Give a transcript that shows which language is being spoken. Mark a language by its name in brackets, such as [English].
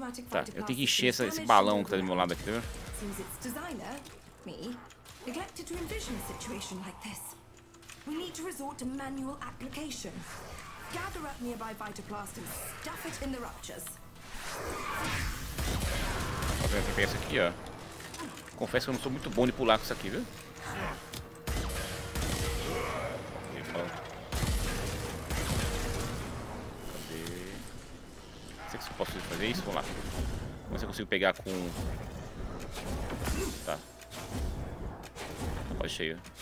[Portuguese] Tá, eu tenho que encher esse balão que tá do meu lado aqui, tá vendo? [English] We need to resort to manual application. Gather up nearby vitoplast and stuff it in the ruptures. [Portuguese] Vou pegar esse aqui, ó. Confesso que eu não sou muito bom de pular com isso aqui, viu? Cadê? Não sei se eu posso fazer isso. Vamos lá. Vamos ver se eu consigo pegar com. Tá. Pode cheio.